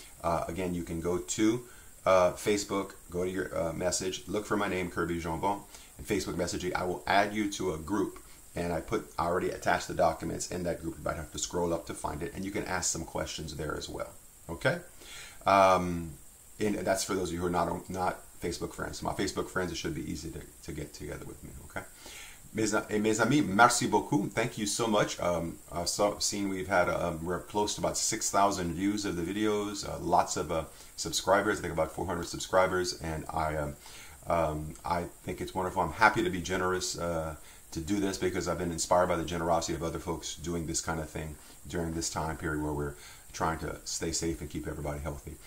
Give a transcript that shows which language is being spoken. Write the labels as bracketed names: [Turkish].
[English] Again, you can go to Facebook, go to your message, look for my name, Kirby Jambon, and Facebook message me. I will add you to a group, and I already attached the documents in that group. You might have to scroll up to find it, and you can ask some questions there as well. Okay? And that's for those of you who are not Facebook friends. My Facebook friends, it should be easy to get together with me. Okay? [French] Mes amis, merci beaucoup. [English] Thank you so much. I've seen we've had we're close to about 6,000 views of the videos, lots of subscribers. I think about 400 subscribers, and I think it's wonderful. I'm happy to be generous to do this because I've been inspired by the generosity of other folks doing this kind of thing during this time period where we're trying to stay safe and keep everybody healthy.